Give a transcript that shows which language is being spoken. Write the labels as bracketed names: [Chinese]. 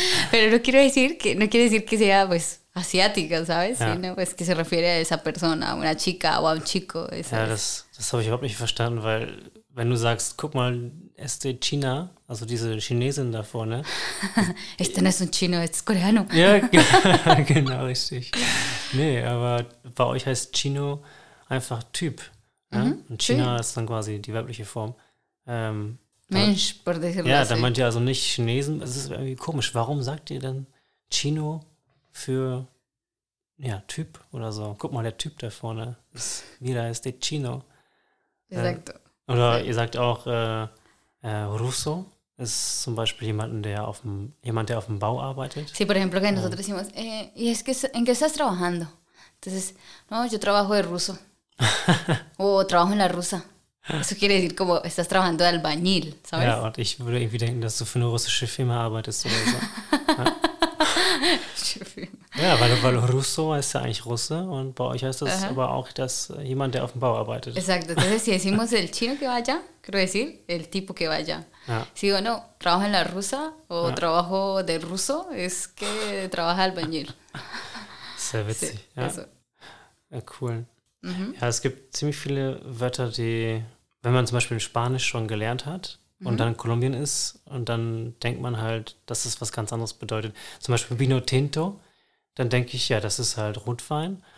[Spanish] Pero no quiere decir que sea, pues, asiática, ¿sabes? [German] Ja. [Spanish] Sino pues que se refiere a esa persona, a una chica o a un chico. ¿Sabes? [German] Ja, das habe ich überhaupt nicht verstanden, weil wenn du sagst, guck mal, [Spanish] este china... [German] Also diese Chinesin da vorne. [Spanish] Este no es un chino, es coreano. [German] Ja, genau, richtig. Nee, aber bei euch heißt Chino einfach Typ. Ja? Mhm, und China ist dann quasi die weibliche Form. [Spanish] Mensch, por decirlo así. [German] Ja, da meint ihr also nicht Chinesen. Es ist irgendwie komisch. Warum sagt ihr dann Chino für ja, Typ oder so? Guck mal, der Typ da vorne. [Spanish] Mira, es de Chino. Exacto. [German] Oder ihr sagt auch... Russo ist zum Beispiel jemand, der auf dem Bau arbeitet. [Spanish] Sí, por ejemplo, que nosotros decimos, ¿y es que en qué estás trabajando? Entonces, no, yo trabajo de ruso. O trabajo en la rusa. Eso quiere decir como estás trabajando de albañil, ¿sabes? [German] Ja, und ich würde irgendwie denken, dass du für eine russische Firma arbeitest oder so. Ja, weil Russo heißt ja eigentlich Russe und bei euch heißt das aber auch, dass jemand, der auf dem Bau arbeitet. [Spanish] Exacto. Entonces, si decimos el chino que vaya, quiero decir el tipo que vaya. [German] Ja. [Spanish] Si digo, no, trabajo en la rusa o trabajo de ruso, es que trabaja albañil. [German] Sehr witzig. [Spanish] Sí, [German] ja. Ja, cool. Ja, es gibt ziemlich viele Wörter, die, wenn man zum Beispiel Spanisch schon gelernt hat, und dann Kolumbien ist und dann denkt man halt, dass es was ganz anderes bedeutet. Zum Beispiel Vino Tinto, dann denke ich, ja, das ist halt Rotwein.